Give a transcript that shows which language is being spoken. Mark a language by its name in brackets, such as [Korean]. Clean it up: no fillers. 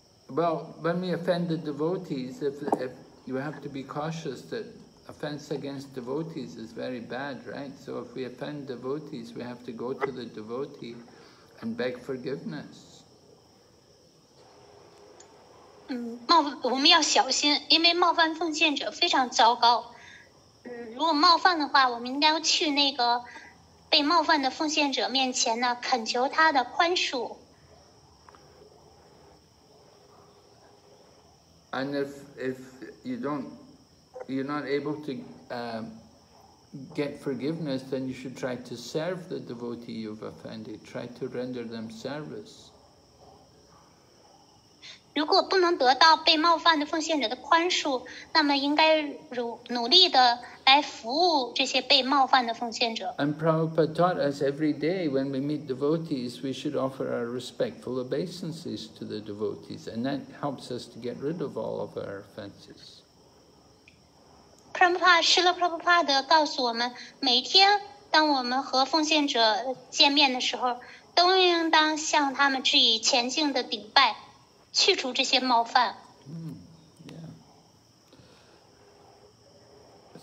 [English] Well, when we offend the devotees, if you have to be cautious thatoffense against devotees is very bad, right? So if we offend devotees, we have to go to the devotee and beg forgiveness. [Chinese] 我们要小心，因为冒犯奉献者非常糟糕。如果冒犯的话，我们应该要去那个被冒犯的奉献者面前呢，恳求他的宽恕。 [English] And if you're not able to get forgiveness, then you should try to serve the devotee you've offended. Try to render them service. [Chinese] 如果不能得到被冒犯的奉献者的宽恕，那么应该努力的来服务这些被冒犯的奉献者。 [English] And Prabhupada taught us every day when we meet devotees, we should offer our respectful obeisances to the devotees, and that helps us to get rid of all of our offenses. [Chinese] 师父普罗帕德告诉我们，每天当我们和奉献者见面的时候，都应当向他们致以虔敬的顶拜，去除这些冒犯。 [English] Mm, yeah.